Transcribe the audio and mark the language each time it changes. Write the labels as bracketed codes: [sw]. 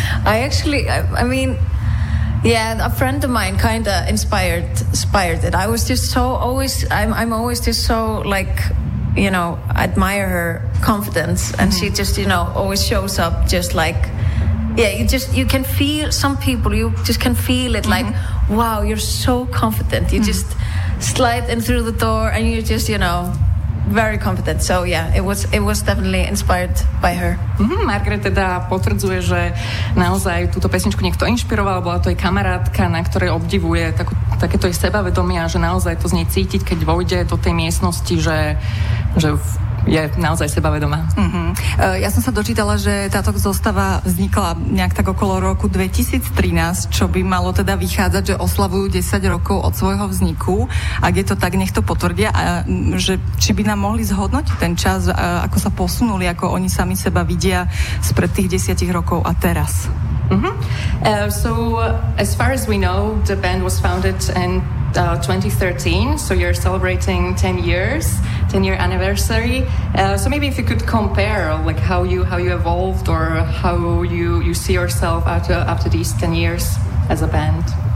[en] A friend of mine kind of inspired it. I was just so always, I'm always just so like, you know, admire her confidence, and mm-hmm. she just, you know, always shows up just like, yeah, you can feel some people, you just can feel it, mm-hmm. like, wow, you're so confident, you mm-hmm. just slide in through the door and you're just, you know, very competent. So yeah, it was definitely inspired by her. Mm-hmm. [sk] Margaret teda potvrdzuje, že naozaj túto pesničku niekto inšpiroval, bola to jej kamarátka, na ktorej obdivuje takéto jej sebavedomie, že naozaj to z nej cítiť, keď vojde do tej miestnosti, že je naozaj sebavedomá. Mm-hmm. Ja som sa dočítala, že táto zostava vznikla nejak tak okolo roku 2013, čo by malo teda vychádzať, že oslavujú 10 rokov od svojho vzniku. Ak je to tak, nech to potvrdia. Že či by nám mohli zhodnotiť ten čas, ako sa posunuli, ako oni sami seba vidia spred tých 10 rokov a teraz? Mm-hmm. [en] So as far as we know, the band was founded in 2013, so you're celebrating 10 year anniversary. So maybe if you could compare like how you evolved or how you see yourself after these 10 years as a band.